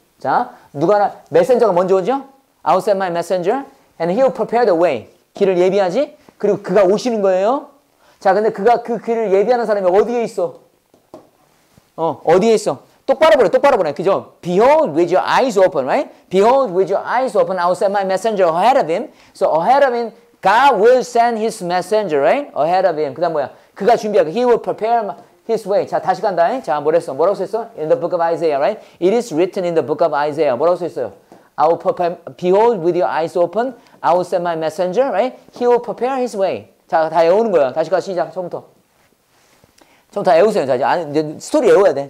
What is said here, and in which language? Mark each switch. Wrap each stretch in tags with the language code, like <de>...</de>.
<ko>자, 누가나 메신저가 먼저 오죠?</ko> <en>I will send my messenger and he will prepare the way.</en> <ko>길을 예비하지? 그리고 그가 오시는 거예요. 자, 근데 그가 그 길을 예비하는 사람이 어디에 있어? 어, 어디에 있어? 똑바로 보내, 똑바로 보내. 그죠?</ko> <en>Behold with your eyes open, right? Behold with your eyes open, I will send my messenger ahead of him. So ahead of him, God will send his messenger, right? Ahead of him.</en> <ko>그 다음 뭐야? 그가 준비하고,</ko> <en>he will prepare his way.</en> <ko>자, 다시 간다. 에? 자, 뭐랬어? 뭐라고 써있어?</ko> <en>In the book of Isaiah, right? It is written in the book of Isaiah.</en> <ko>뭐라고 써있어요?</ko> <en>I will prepare, behold with your eyes open, I will send my messenger, right? He will prepare his way.</en> <ko>자, 다 외우는 거야. 다시 가서 시작, 처음부터. 좀 다 외우세요. 자, 이제 스토리 외워야 돼.</ko>